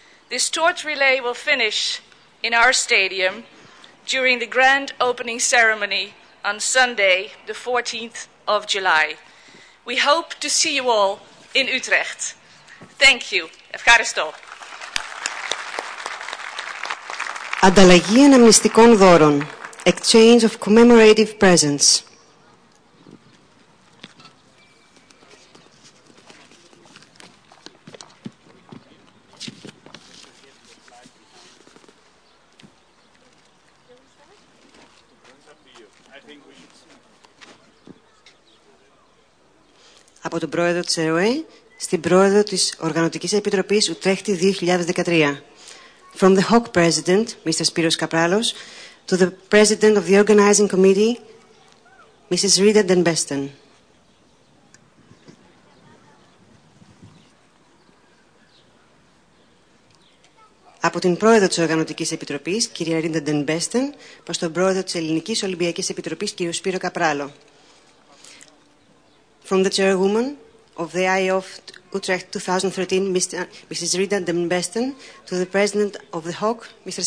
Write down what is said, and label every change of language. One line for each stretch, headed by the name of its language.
English: This torch relay will finish in our stadium during the grand opening ceremony on Sunday, the 14th of July. We hope to see you all in Utrecht. Thank you.
Greek: Ευχαριστώ. Ανταλλαγή αναμνηστικών δώρων.
English: Exchange of commemorative presents.
Greek: Από τον πρόεδρο της ΕΟΕ στην πρόεδρο της Οργανωτικής Επιτροπής Ουτρέχτη 2013.
English: From the HOC President, Mr. Spiros Kapralos, to the President of the Organizing Committee, Mrs. Rita Den Besten.
Greek: Από την πρόεδρο της Οργανωτικής Επιτροπής, κυρία Ρίντα Den Besten, προς τον πρόεδρο της Ελληνικής Ολυμπιακής Επιτροπής, κύριο Σπύρο Καπράλο.
English: From the chairwoman of the IOF Utrecht 2013, Mrs. Rita Den Besten, to the president of the HOC, Mr.